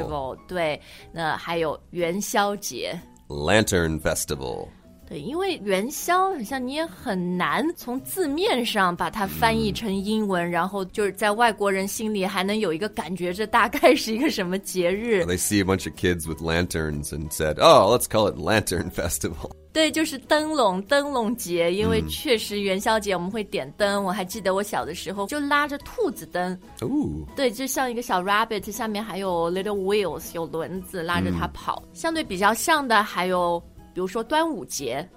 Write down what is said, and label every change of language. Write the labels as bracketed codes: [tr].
[zh] Festival 对那还有元宵节 [en] Lantern Festival [zh] 对，因为元宵好像你也很难从字面上把它翻译成英文、然后就是在外国人心里还能有一个感觉这大概是一个什么节日。 [en] They see a bunch of kids with lanterns and said, oh, let's call it Lantern Festival. [zh] 对，就是灯笼，灯笼节，因为确实元宵节我们会点灯。我还记得我小的时候就拉着兔子灯。 Ooh. 对，就像一个小 rabbit, 下面还有 [en] little wheels, [zh] 有轮子拉着它跑。相对比较像的还有比如说端午节